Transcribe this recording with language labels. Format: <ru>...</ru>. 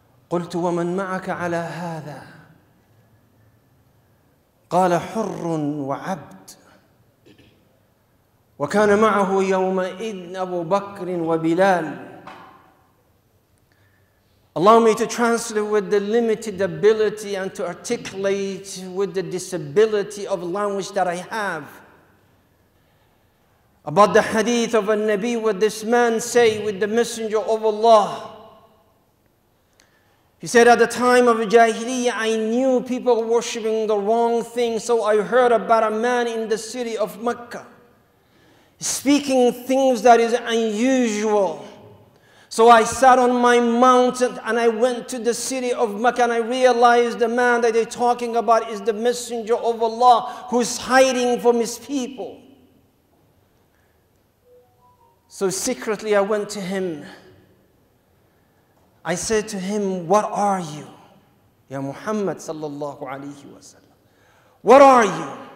<ar>قلت ومن معك على هذا؟ قال حر وعبد، وكان معه يومئذ أبو بكر وبلال.</ar> <en>Allow me to translate with the limited ability and to articulate with the disability of language that I have about the hadith of a Nabi, what this man say with the messenger of Allah. He said, at the time of Jahiliyyah, I knew people worshipping the wrong thing, so I heard about a man in the city of Mecca speaking things that is unusual. So I sat on my mountain and I went to the city of Mecca, and I realized the man that they're talking about is the messenger of Allah who's hiding from his people. So secretly I went to him. I said to him, what are you?</en> <ar>يا محمد صلى الله عليه وسلم</ar> <en>What are you?</en>